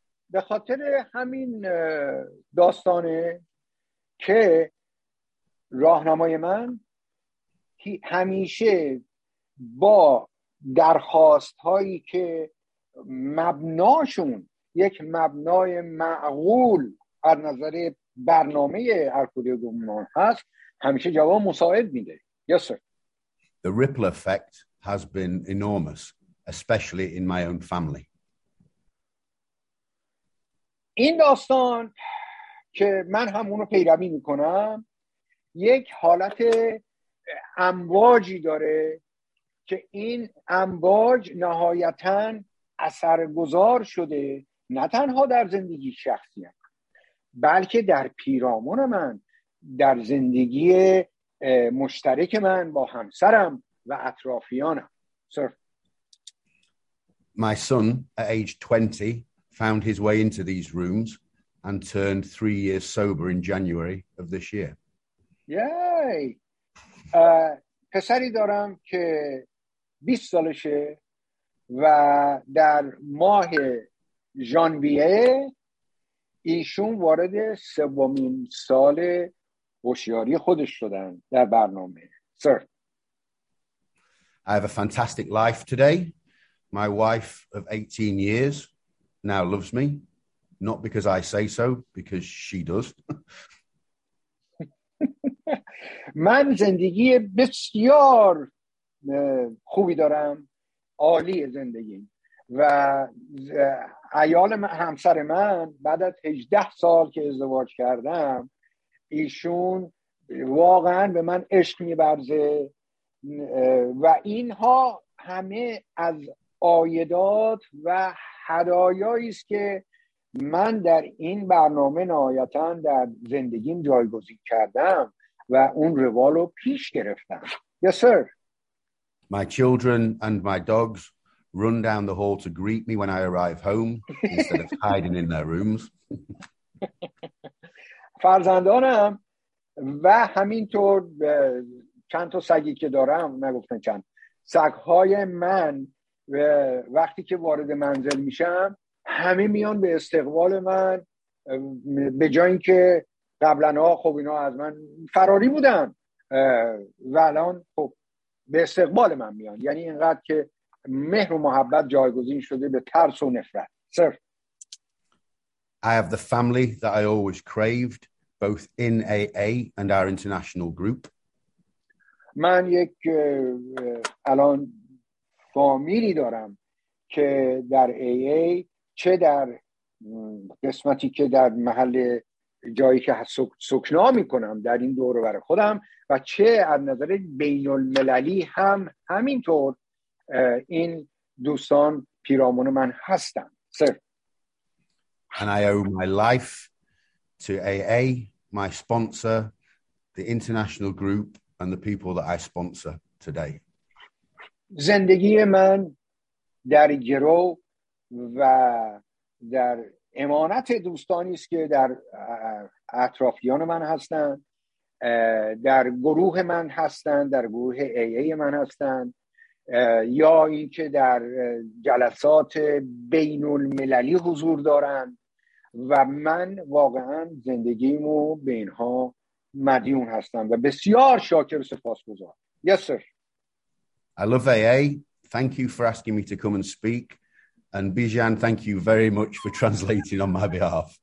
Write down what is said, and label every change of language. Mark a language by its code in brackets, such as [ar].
[fa] به خاطر همین داستانه که راهنمای من همیشه با درخواست‌هایی که مبناشون یک مبنای معقول از نظر برنامه الکلی گمنام هست، همیشه جواب مساعد میده. [en] Yes, sir. The ripple effect has been enormous, especially in my own family. [fa] این داستان که من همونو پیروی میکنم یک حالت امواجی داره که این امواج نهایتاً اثرگذار شده نه تنها در زندگی شخصیم، بلکه در پیرامون من، در زندگی مشترک من با همسرم و اطرافیانم. [en] سر. My son at age 20 found his way into these rooms and turned 3 years sober in January of this year. Yay! [fa] پسری دارم که 20 سالشه و در ماه ژانویه ایشون وارد سومین سال هوشیاری خودش شدن در برنامه. [en] سر. I have a fantastic life today. My wife of 18 years now loves me, not because I say so, because she does. [fa] من زندگی بسیار خوبی دارم، عالی زندگی، و عیال همسر من بعد از 18 سال که ازدواج کردم ایشون واقعا به من عشق می‌ورزه و اینها همه از عایدات و هدایایی است که من در این برنامه نهایتا در زندگیم جایگزین کردم و اون روال رو پیش گرفتم. [en] Yes, sir. My children and my dogs run down the hall to greet me when I arrive home instead of hiding in their rooms. [fa] فرزندانم و همینطور چند تا سگی که دارم، نگفتن چند سگهای من، وقتی که وارد منزل میشم همه میان به استقبال من، به جای اینکه قبلا ها خب اینا از من فراری بودن و الان خب به استقبال من میان، یعنی اینقدر که مهر و محبت جایگزین شده به ترس و نفرت. [en] سر. I have the family that I always craved, both in AA and our international group. [fa] من یک الان فامیلی دارم که در AA چه در قسمتی که در محل جایی که سکنا می کنم در این دور و بر خودم و چه از نظر بین المللی هم همینطور این دوستان پیرامون من هستن. [en] سر. And I owe my life to AA, my sponsor, the international group, and the people that I sponsor today. [fa] زندگی من در گرو و در امانت دوستانی است که در اطرافیان من هستند، در گروه من هستند، در گروه AA من هستند، یا اینکه در جلسات بین المللی حضور دارند، و من واقعا زندگیمو به اینها مدیون هستم و بسیار شاکر و سپاسگزار. [en] Yes sir. I love AA. Thank you for asking me to come and speak. And Bijan, thank you very much for translating on my behalf.